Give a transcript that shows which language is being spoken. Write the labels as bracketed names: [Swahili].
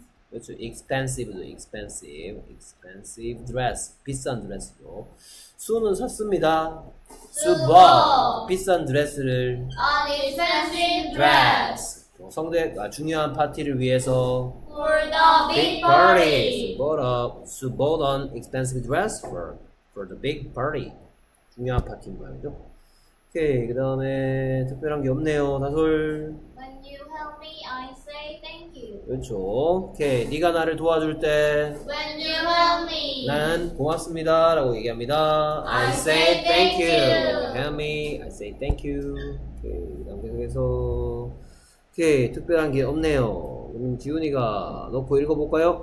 [Korean] 그렇죠. [English] expensive도 expensive. expensive dress. [Korean] 비싼 드레스도. 수는 샀습니다. 수버. 비싼 드레스를. [English] An expensive dress. [Korean] 성대, 중요한 파티를 위해서. [English] For the big party. She bought an expensive dress for the big party. [Korean] 중요한 파티인 거죠. 오케이, 그 다음에 특별한 게 없네요, 다솔. [English] When you help me, I say thank you. [Korean] 그렇죠. 오케이, 네가 나를 도와줄 때. [English] When you help me. [Korean] 난 고맙습니다, 라고 얘기합니다. [English] I say thank you. Help me, I say thank you. [Korean] 오케이, 그 다음 계속해서. 오케이, 특별한 게 없네요. 그럼 지훈이가 놓고 읽어볼까요?